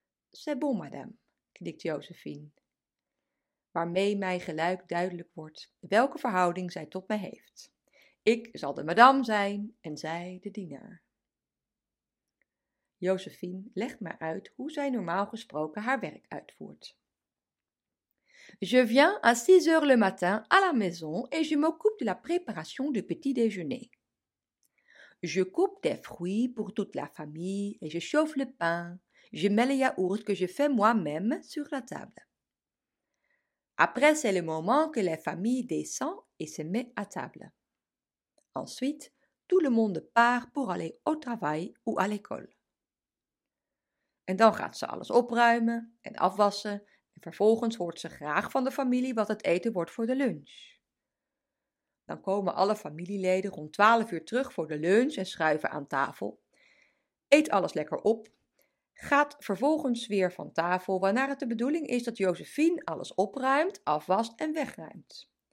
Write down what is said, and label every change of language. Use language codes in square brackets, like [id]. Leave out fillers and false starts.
[fr] C'est bon, madame, [nl] knikt Josephine. Waarmee mij gelijk duidelijk wordt welke verhouding zij tot mij heeft. Ik zal de madame zijn en zij de dienaar. Josephine legt mij uit hoe zij normaal gesproken haar werk uitvoert. [fr] Je viens à 6h le matin à la maison et je m'occupe de la préparation du petit déjeuner. Je coupe des fruits pour toute la famille et je chauffe le pain. Je mets le yaourt que je fais moi-même sur la table. Après, c'est le moment que la famille descend et se met à table. Ensuite, tout le monde part pour aller au travail ou à l'école. [nl] En dan gaat ze alles opruimen en afwassen en vervolgens hoort ze graag van de familie wat het eten wordt voor de lunch. Dan komen alle familieleden rond 12 uur terug voor de lunch en schuiven aan tafel, eet alles lekker op, gaat vervolgens weer van tafel, waarna het de bedoeling is dat Josephine alles opruimt, afwast en wegruimt.